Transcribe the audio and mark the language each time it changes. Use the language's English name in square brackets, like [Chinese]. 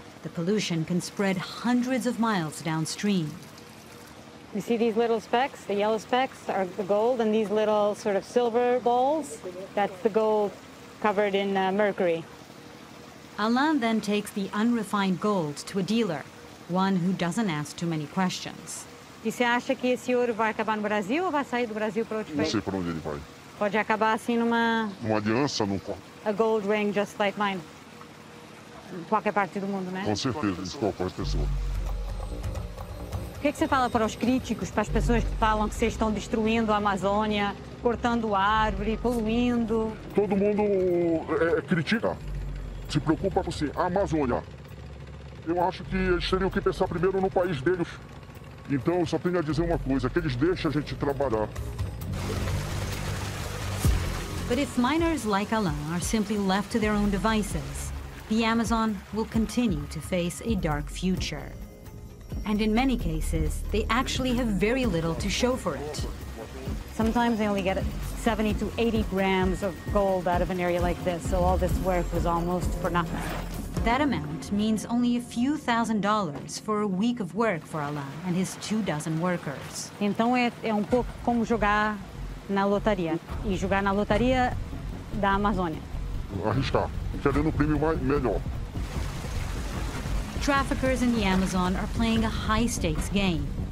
[English] The pollution can spread hundreds of miles downstream. You see these little specks? The yellow specks are the gold, and these little sort of silver balls? That's the gold covered in mercury. Alain then takes the unrefined gold to a dealer, One who doesn't ask too many questions. [Portuguese] E você acha que esse ouro vai acabar no Brasil ou vai sair do Brasil para outro país? Não sei para onde ele vai. Pode acabar assim numa... Uma aliança, num... [English] A gold ring just like mine. [Portuguese] Em qualquer parte do mundo, né? Com certeza, isso qualquer pessoa. O que você fala para os críticos, para as pessoas que falam que vocês estão destruindo a Amazônia, cortando árvore, poluindo? Todo mundo critica, se preocupa com assim, a Amazônia. Eu acho que eles teriam que pensar primeiro no país deles. Então, eu só tenho a dizer uma coisa, que eles deixam a gente trabalhar. [English] But if miners like Alain are simply left to their own devices, the Amazon will continue to face a dark future. And in many cases, they actually have very little to show for it. Sometimes they only get 70 to 80 grams of gold out of an area like this, so all this work was almost for nothing. That amount means only a few thousand dollars for a week of work for Alain and his two dozen workers. [Portuguese] Então é um pouco como jogar na lotaria, e jogar na lotaria da Amazônia. Arriscar, querendo um prêmio melhor. [English] Traffickers in the Amazon are playing a high-stakes game.